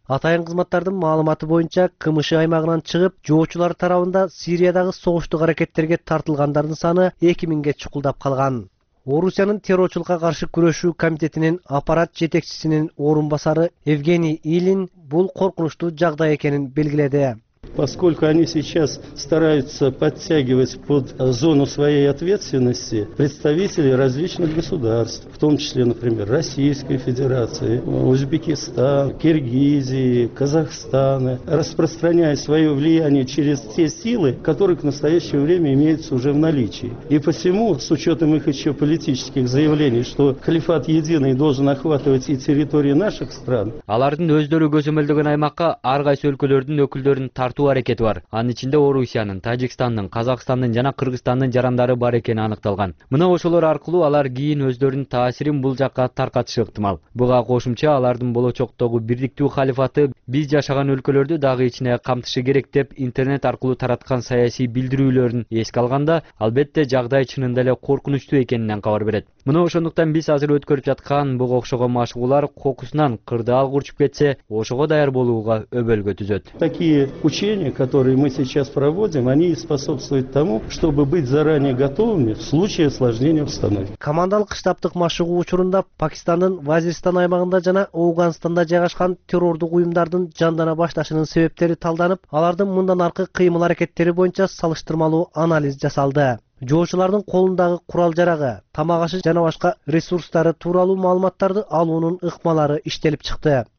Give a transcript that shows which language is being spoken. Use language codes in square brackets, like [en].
[ky] Атайын кызматтардын маалыматы боюнча КМШ аймагынан чыгып, жоочулар тарабында Сириядагы согуштук аракеттерге тартылгандардын саны 2000ге чукулдап калган. Орусиянын террорчулукка каршы күрөшүү комитетинин аппарат жетекчисинин орун басары Евгений Илин бул коркунучтуу жагдай экенин белгиледи. [ru] Поскольку они сейчас стараются подтягивать под зону своей ответственности представителей различных государств, в том числе, например, Российской Федерации, Узбекистан, Киргизии, Казахстана, распространяя свое влияние через те силы, которые к настоящему времени имеются уже в наличии. И посему, с учетом их еще политических заявлений, что халифат единый должен охватывать и территории наших стран, [ky] алардын өздөрү көзөмөлдөгөн аймакка ар кайсы өлкөлөрдүн өкүлдөрүн тартуу аракети бар. Анын ичинде Орусиянын, Тажикстандын, Казакстандын жана Кыргызстандын жарандары бар экени аныкталган. Мына ошолор аркылуу алар кийин өздөрүнүн таасирин бул жакка таркатышы ыктымал. Буга кошумча алардын болочоктогу бирдиктүү халифаты биз жашаган өлкөлөрдү дагы ичине камтышы керек деп интернет аркылуу тараткан саясий билдирүүлөрүн эске алганда, албетте жагдай чынында эле коркунучтуу экенинен кабар берет. Мына ошондуктан биз азыр өткөрүп жаткан буга окшогон машыгуулар кокусунан кырдаал курчуп кетсе, ошого даяр болууга өбөлгө түзөт. [ru] Учения, которые мы сейчас проводим, они и способствуют тому, чтобы быть заранее готовыми в случае осложнения обстановки. [ky] Командалык штабтык машыгуу учурунда Пакистандын Вазиристан аймагында жана Ауганстанда жайгашкан террордук уюмдардын жандана башташынын себептери талданып, алардын мындан аркы кыймыл аракеттери боюнча салыштырмалуу анализ жасалды. Жоочулардын колундагы курал жарагы, тамак ашы жана башка ресурстары тууралуу маалыматтарды алуунун ыкмалары иштелип чыкты.